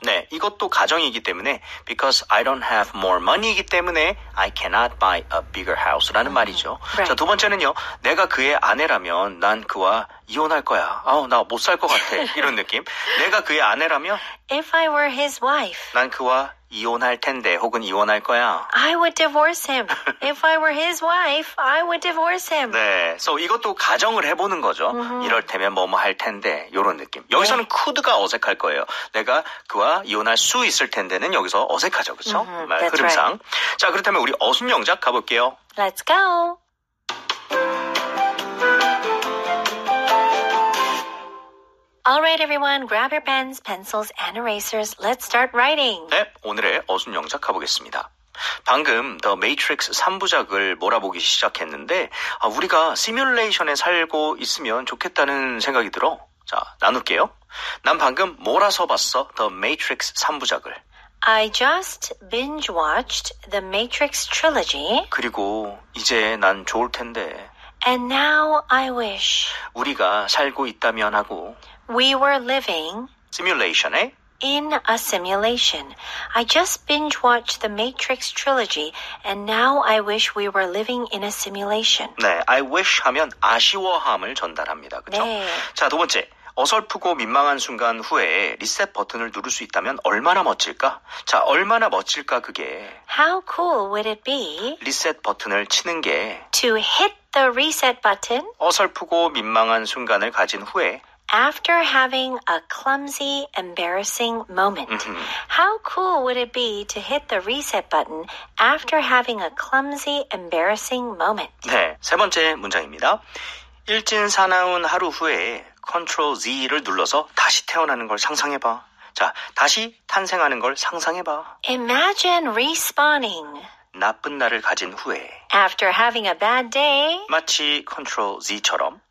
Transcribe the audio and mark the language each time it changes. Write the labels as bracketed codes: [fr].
[ko] 네, 이것도 가정이기 때문에 [en] because I don't have more money [ko] 이기 때문에 [en] I cannot buy a bigger house [ko] 라는 말이죠. [en] Right. [ko] 자, 두 번째는요. 내가 그의 아내라면 난 그와 이혼할 거야. 아우, 나 못 살 것 같아. 이런 느낌. 내가 그의 아내라면 [en] If I were his wife. [ko] 난 그와 이혼할 텐데 혹은 이혼할 거야. [en] I would divorce him. If I were his wife, I would divorce him. [ko] 네, so 이것도 가정을 해보는 거죠. Mm-hmm. 이럴 테면 뭐뭐 할 텐데 이런 느낌. 여기서는 네. could가 어색할 거예요. 내가 그와 이혼할 수 있을 텐데는 여기서 어색하죠, 그렇죠? Mm-hmm. 말 흐름상. [en] That's right. [ko] 자, 그렇다면 우리 어순 영작 가볼게요. [en] Let's go. All right, everyone, grab your pens, pencils, and erasers. Let's start writing. [ko] 네, 오늘의 어순 영작 가보겠습니다. 방금 The Matrix 3부작을 몰아보기 시작했는데 아, 우리가 시뮬레이션에 살고 있으면 좋겠다는 생각이 들어. 자, 나눌게요. 난 방금 몰아서 봤어, The Matrix 3부작을. [en] I just binge-watched The Matrix Trilogy. [ko] 그리고 이제 난 좋을 텐데. [en] And now I wish. [ko] 우리가 살고 있다면 하고. [en] We were living simulation, eh? In a simulation. I just binge-watched the Matrix trilogy, and now I wish we were living in a simulation. [ko] 네, [en] I wish [ko] 하면 아쉬워함을 전달합니다. 그렇죠? 네. 자, 두 번째. 어설프고 민망한 순간 후에 리셋 버튼을 누를 수 있다면 얼마나 멋질까? 자, 얼마나 멋질까 그게? [en] How cool would it be? [ko] 리셋 버튼을 치는 게 [en] to hit the reset button? [ko] 어설프고 민망한 순간을 가진 후에 [en] After having a clumsy, embarrassing moment. How cool would it be to hit the reset button after having a clumsy, embarrassing moment? [ko] 네, 세 번째 문장입니다. 일진 사나운 하루 후에 Ctrl Z를 눌러서 다시 태어나는 걸 상상해봐. 자, 다시 탄생하는 걸 상상해봐. [en] Imagine respawning. [ko] 나쁜 날을 가진 후에 [en] After having a bad day. [ko] 마치 Ctrl Z처럼